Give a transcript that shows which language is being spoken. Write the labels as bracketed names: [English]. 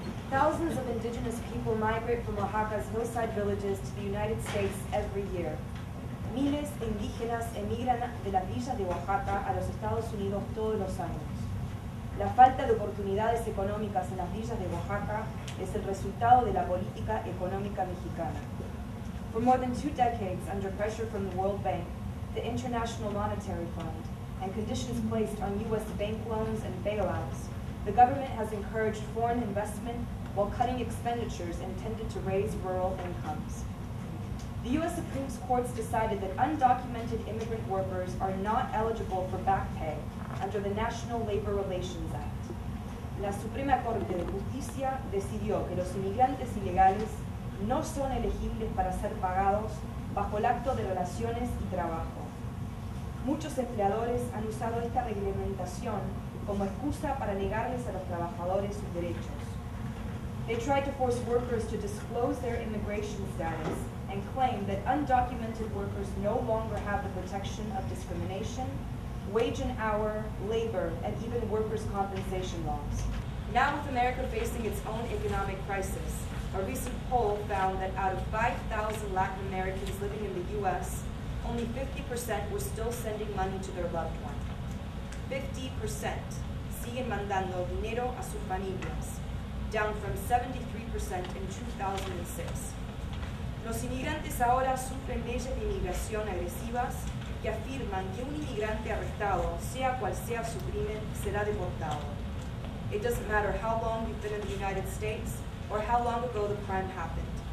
[English] Thousands of indigenous people migrate from Oaxaca's hillside villages to the United States every year. [Spanish] Miles de indígenas emigran de las villas de Oaxaca a los Estados Unidos todos los años. La falta de oportunidades económicas en las villas de Oaxaca es el resultado de la política económica mexicana. [English] For more than two decades, under pressure from the World Bank, the International Monetary Fund, and conditions placed on U.S. bank loans and bailouts, the government has encouraged foreign investment while cutting expenditures intended to raise rural incomes. The U.S. Supreme Court's decided that undocumented immigrant workers are not eligible for back pay under the National Labor Relations Act. [Spanish] La Suprema Corte de Justicia decidió que los inmigrantes ilegales no son elegibles para ser pagados bajo el Acto de Relaciones y Trabajo. Muchos empleadores han usado esta reglamentación como excusa para negarles a los trabajadores sus derechos. [English] They tried to force workers to disclose their immigration status and claim that undocumented workers no longer have the protection of discrimination, wage and hour, labor, and even workers' compensation laws. Now with America facing its own economic crisis, a recent poll found that out of 5,000 Latin Americans living in the U.S., only 50% were still sending money to their loved one. [Spanish] 50% siguen mandando dinero a sus familias, [English] down from 73% in 2006. [Spanish] Los inmigrantes ahora sufren leyes de inmigración agresivas que afirman que un inmigrante arrestado, sea cual sea su crimen, será deportado. [English] It doesn't matter how long you've been in the United States or how long ago the crime happened.